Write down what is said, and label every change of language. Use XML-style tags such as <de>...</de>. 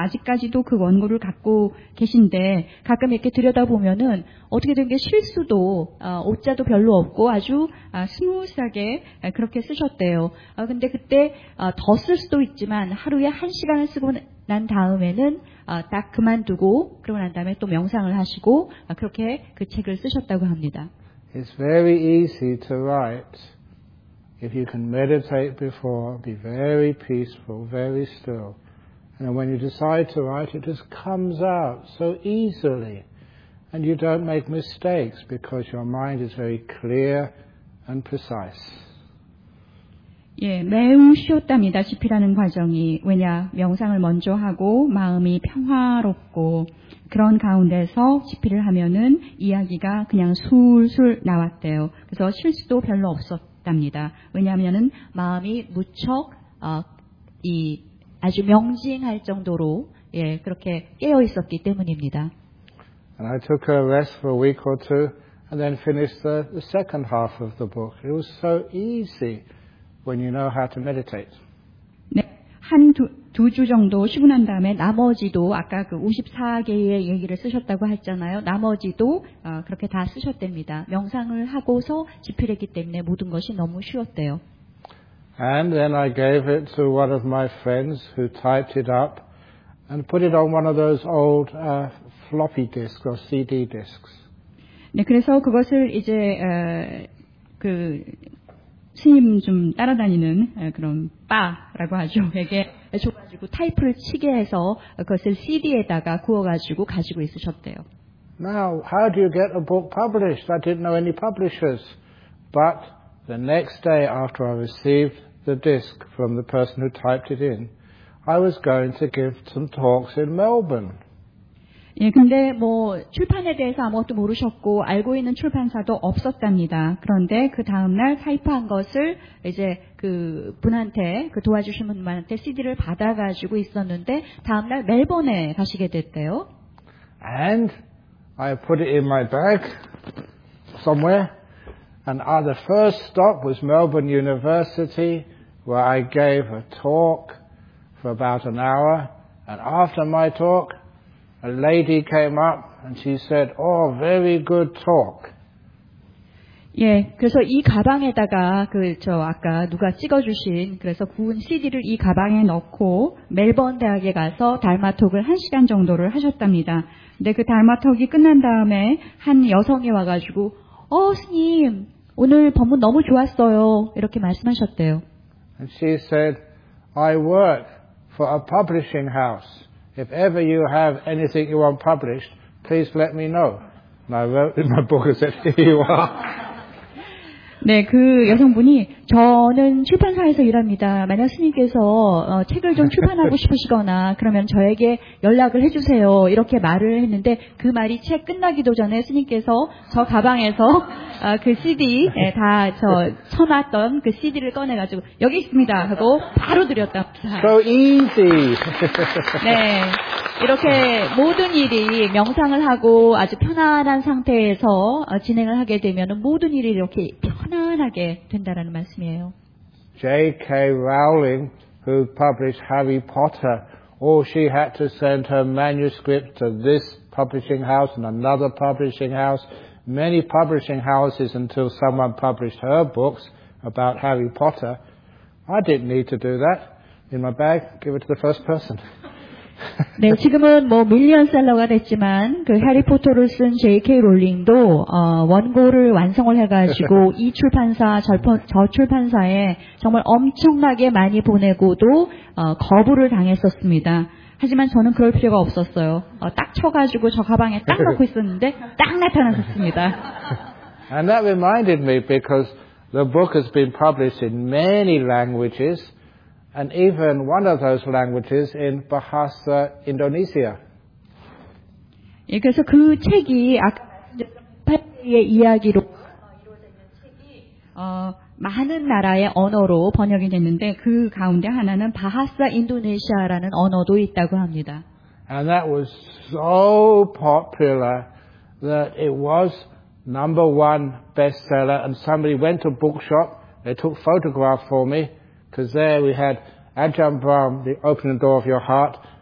<ko>아직까지도 그 원고를 갖고 계신데 가끔 이렇게 들여다보면은 어떻게 된 게 실수도 오자도 별로 없고 아주 스무스하게 그렇게 쓰셨대요. 근데 그때 더 쓸 수도 있지만 하루에 한 시간을 쓰고 난 다음에는 딱 그만두고 그러고 난 다음에 또 명상을 하시고 그렇게 그 책을 쓰셨다고 합니다.</ko> <en>It's very easy to write. If you can meditate before, be very peaceful, very still. And when you decide to write, it just comes out so easily. And you don't make mistakes because your mind is very clear and precise.</en> <ko>예, 매우 쉬웠답니다. 집필하는 과정이. 왜냐, 명상을 먼저 하고 마음이 평화롭고 그런 가운데서 집필을 하면은 이야기가 그냥 술술 나왔대요. 그래서 실수도 별로 없었답니다. 왜냐하면은 마음이 무척 이 아주 명징할 정도로 예, 그렇게 깨어 있었기 때문입니다.</ko> <en>And I took a rest for a week or two and then finished the second half of the book. It was so easy. When you know how to meditate.</en> <ko>네, 한두주 정도 쉬고 난 다음에 나머지도 아까 그 54개의 얘기를 쓰셨다고 했잖아요. 나머지도 그렇게 다 쓰셨답니다. 명상을 하고서 집필했기 때문에 모든 것이 너무 쉬웠대요.</ko> <en>And then I gave it to one of my friends who typed it up and put it on one of those old floppy disks or CD disks.</en> <ko>네, 그래서 그것을 이제 그 스님 좀 따라다니는 그런 바라고 하죠. 에게 줘가지고 타이프를 치게 해서 그것을 CD에다가 구워가지고 가지고 있으셨대요.</ko> <en>Now, how do you get a book published? I didn't know any publishers. But the next day after I received the disc from the person who typed it in, I was going to give some talks in Melbourne.</en> <ko>예, 근데 뭐 출판에 대해서 아무것도 모르셨고 알고 있는 출판사도 없었답니다. 그런데 그 다음날 타이프한 것을 이제 그 분한테 그 도와주신 분한테 CD를 받아가지고 있었는데 다음날 멜번에 가시게 됐대요.</ko> <en>And I put it in my bag somewhere, and the first stop was Melbourne University, where I gave a talk for about an hour. And after my talk, a lady came up and she said, "Oh, very good talk."</en> <ko>예, 그래서 이 가방에다가 그 저 아까 누가 찍어주신 그래서 구운 CD를 이 가방에 넣고 멜번 대학에 가서 달마톡을 한 시간 정도를 하셨답니다. 근데 그 달마톡이 끝난 다음에 한 여성이 와가지고, "어, 스님, 오늘 법문 너무 좋았어요." 이렇게 말씀하셨대요.</ko> <en>And she said, "I work for a publishing house. If ever you have anything you want published, please let me know." And I wrote in my book and said, "Here you are."</en> <ko>네, 그 여성분이 저는 출판사에서 일합니다. 만약 스님께서 책을 좀 출판하고 싶으시거나 그러면 저에게 연락을 해주세요. 이렇게 말을 했는데 그 말이 책 끝나기도 전에 스님께서 저 가방에서 그 CD 네, 다 저 쳐놨던 그 CD를 꺼내가지고 여기 있습니다 하고 바로 드렸답니다. So easy. 네, 이렇게 모든 일이 명상을 하고 아주 편안한 상태에서 진행을 하게 되면 모든 일이 이렇게 편안하게 된다라는 말.</ko> <en>J.K. Rowling, who published Harry Potter, all she had to send her manuscript to this publishing house and another publishing house, many publishing houses until someone published her books about Harry Potter. I didn't need to do that. in my bag, give it to the first person.</en> <ko>네, 지금은 뭐 밀리언 셀러가 됐지만 그 해리포터를 쓴 J.K. 롤링도 원고를 완성을 해가지고 이 출판사 저 출판사에 정말 엄청나게 많이 보내고도 거부를 당했었습니다. 하지만 저는 그럴 필요가 없었어요. 딱 쳐가지고 저 가방에 딱 넣고 있었는데 딱 나타났었습니다.</ko> <en>And that reminded me because the book has been published in many languages. And even one of those languages in Bahasa Indonesia.</en> <ko>예, 그래서 그 책이 아카데미의 이야기로 이루어진 책이 많은 나라의 언어로 번역이 됐는데 그 가운데 하나는 바하사 인도네시아라는 언어도 있다고 합니다.</ko> <en>And that was so popular that it was number one bestseller. And somebody went to a bookshop. They took photograph for me because there we had. Ajahn Brahm, the opening door of your heart.</en>